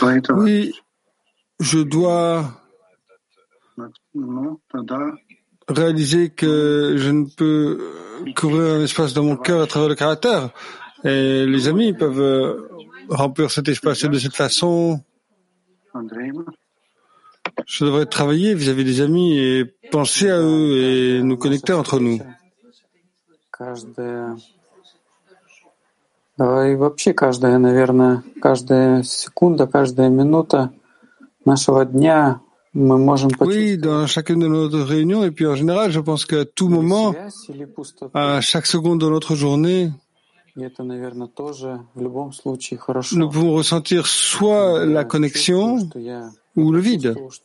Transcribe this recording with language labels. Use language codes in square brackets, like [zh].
[fr] Oui, je dois réaliser que je ne peux couvrir un espace dans mon cœur à travers le caractère. Et les amis peuvent remplir cet espace. Et de cette façon, je devrais travailler vis-à-vis des amis et penser à eux et nous connecter entre nous. [ru] И вообще каждая, наверное, каждая секунда, каждая минута нашего дня мы можем почувствовать. [fr] Oui, dans chacune de nos réunions, et puis en général, je pense qu'à tout moment, à chaque seconde de notre journée, [ru] и это, наверное, тоже в любом случае хорошо. [fr] Nous pouvons ressentir soit la connexion ou le vide.